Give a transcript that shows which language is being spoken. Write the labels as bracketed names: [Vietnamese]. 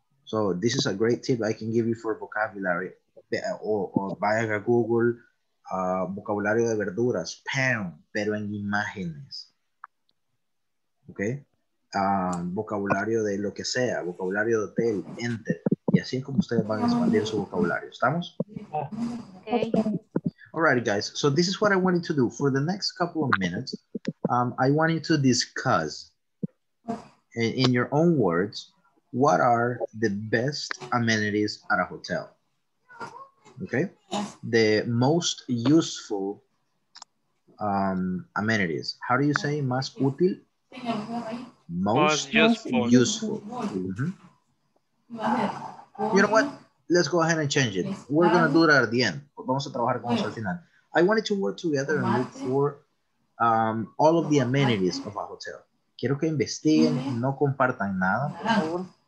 [English] So, this is a great tip I can give you for vocabulary. [Spanish] O vaya a Google, vocabulario de verduras, pam, pero en imágenes. ¿Ok? Vocabulario de lo que sea, vocabulario de hotel, enter. Y así es como ustedes van a expandir su vocabulario. ¿Estamos? [English] Okay. All right, guys. So this is what I wanted to do. For the next couple of minutes, I want you to discuss, in your own words, what are the best amenities at a hotel? Okay, the most useful amenities. How do you say [Spanish] más útil? [English] Most useful. Mm-hmm. You know what? Let's go ahead and change it. We're going to do it at the end. [Spanish] Vamos a trabajar con eso al final. [English] I wanted to work together and look for all of the amenities of a hotel. [Spanish] Quiero que investiguen, no compartan nada, por favor.